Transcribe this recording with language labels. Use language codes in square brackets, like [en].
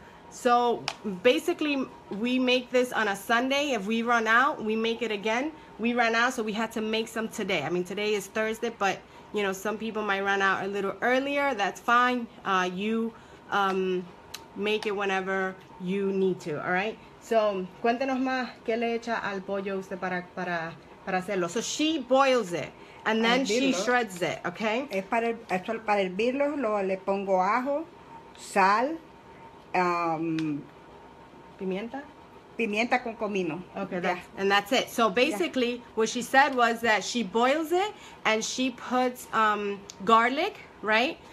[en] So basically we make this on a Sunday. If we run out, we make it again. We ran out, so we had to make some today. I mean, today is Thursday, but you know, some people might run out a little earlier. That's fine. You make it whenever you need to, all right? So, [es] cuéntenos más, ¿qué le echa al pollo usted para hacerlo? [en] So she boils it, and then she shreds it, okay? [es] Es para hervirlo, le pongo ajo, sal, pimienta. Pimienta con comino. [en] Okay, that's it. So basically, what she said was that she boils it, and she puts garlic, right?